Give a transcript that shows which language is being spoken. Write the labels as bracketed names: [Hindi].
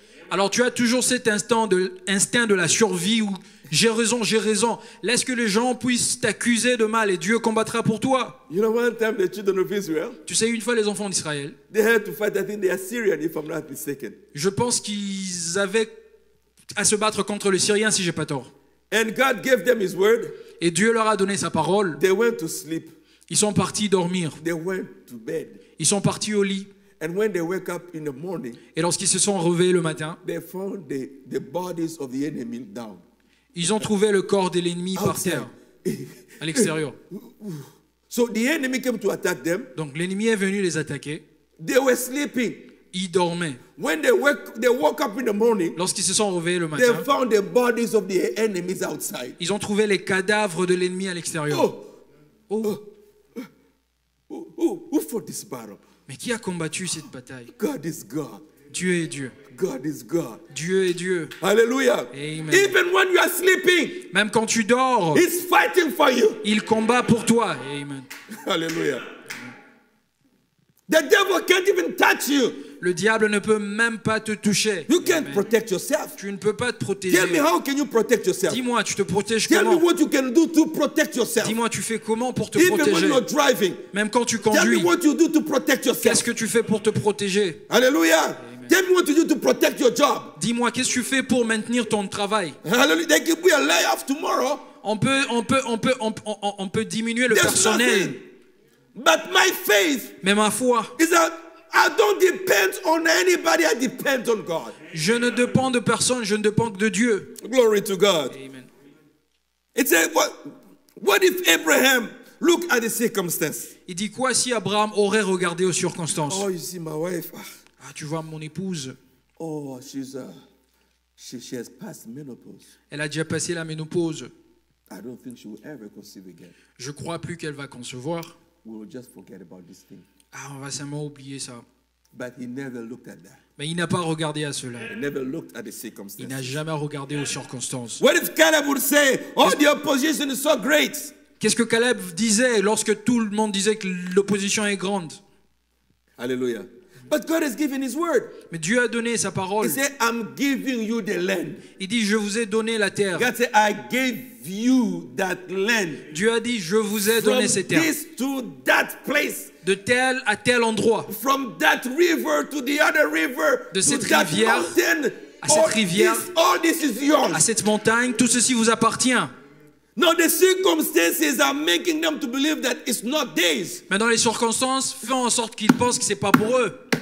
[French] Alors tu as toujours cet instinct de la survie où j'ai raison. Laisse que les gens puissent t'accuser de mal et Dieu combattra pour toi. [English] You know one time the children of Israel. [French] Tu sais une fois les enfants d'Israël. [English] They had to fight. I think they are Syrian, if I'm not mistaken. [French] Je pense qu'ils avaient à se battre contre les Syriens si j'ai pas tort. [English] And God gave them His word. [French] Et Dieu leur a donné sa parole. [English] They went to sleep. [French] Ils sont partis dormir. [English] They went to bed. [French] Ils sont partis au lit. [English] And when they wake up in the morning, [French] et lorsqu'ils se sont réveillés le matin, [English] they found the bodies of the enemy down. [French] Ils ont trouvé le corps de l'ennemi par terre, à l'extérieur. [English] So the enemy came to attack them. [French] Donc l'ennemi est venu les attaquer. [English] They were sleeping. [French] Ils dormaient. [English] When they woke up in the morning, [French] lorsqu'ils se sont réveillés le matin, [English] they found the bodies of the enemies outside. [French] Ils ont trouvé les cadavres de l'ennemi à l'extérieur. [English] Oh. Who fought this battle? [French] Mais qui a combattu cette bataille? [English] God is God. [French] Dieu est Dieu. [English] God is God. [French] Dieu est Dieu. [English] Hallelujah. [French] Amen. [English] Even when you are sleeping, [French] même quand tu dors, [English] He's fighting for you. [French] Il combat pour toi. Amen. [English] Hallelujah. The devil can't even touch you. [French] Le diable ne peut même pas te toucher. [English] You can't protect yourself. [French] Tu ne peux pas te protéger. [English] Tell me how can you protect yourself? [French] Dis-moi, tu te protèges [English] Tell [French] comment? [English] Me what you can do to protect yourself. [French] Dis-moi, tu fais comment pour te [English] even [French] protéger? [English] Even when you're driving. [French] Même quand tu conduis. [English] Tell me what you do to protect yourself. [French] Qu'est-ce que tu fais pour te protéger? Alléluia. [English] Tell me what you do to protect your job. [French] Dis-moi, qu'est-ce que tu fais pour maintenir ton travail? [English] Hallelujah. They give you a layoff tomorrow. [French] On peut diminuer le [English] There's [French] personnel. [English] Nothing. But my faith. [French] Mais ma foi. [English] Is that I don't depend on anybody. I depend on God. [French] Je ne dépends de personne. Je ne dépends que de Dieu. [English] Glory to God. [French] Amen. [English] It says what if Abraham look at the circumstances? [French] Il dit quoi si Abraham aurait regardé aux circonstances? [English] Oh, you see my wife. [French] Ah, tu vois mon épouse. [English] Oh, she has passed menopause. [French] Elle a déjà passé la ménopause. [English] I don't think she will ever conceive again. [French] Je crois plus qu'elle va concevoir. [English] We will just forget about this thing. [French] Ah, on va simplement oublier ça. [English] But he never looked at that. [French] Mais il n'a pas regardé à cela. [English] He never looked at the circumstances. [French] Il n'a jamais regardé aux circonstances. [English] What if Caleb would say, "Oh, the opposition is so great"? [French] Qu'est-ce que Caleb disait lorsque tout le monde disait que l'opposition est grande? [English] Alléluia. But God has given His word. [French] Mais Dieu a donné sa parole. [English] He said, "I'm giving you the land." [French] Il dit, "Je vous ai donné la terre." [English] God said, "I gave you that land." [French] Dieu a dit, "Je vous ai donné cette terre." [English] From this to that place. [French] De tel à tel endroit. [English] From that river to the other river. [French] De cette rivière à cette rivière. [English] All this is yours. [French] À cette montagne, tout ceci vous appartient. [English] Now the circumstances are making them to believe that it's not theirs. [French] Maintenant les circonstances font en sorte qu'ils pensent que c'est pas pour eux.